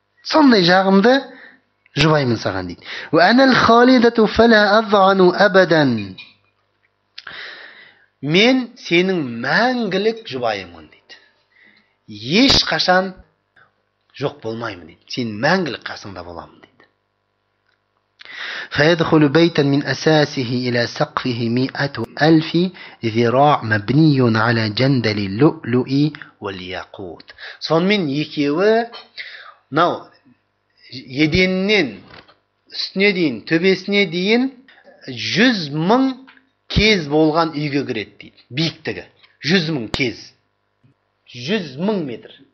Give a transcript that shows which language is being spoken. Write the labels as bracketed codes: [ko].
[kk] Сондай жағымды жұбаймын саған дейді. [ar] وانا الخالده فلا اضعن ابدا. [kk] Мен сенің мәңгілік жұбайымын дейді. Ешқашан жоқ болмаймын дейді. Сен мәңгілік қасыңда боламын. [ar] فيدخل بيتا من اساسه الى سقفه 100,000 ذراع مبني على جندل اللؤلؤ والياقوت. [kk] Сонымен екеуі мынау еденнен үстіне дейін, төбесіне дейін 100,000 кез болған үйге кіреді дейді. Биіктігі 100,000 кез. 100,000 метр.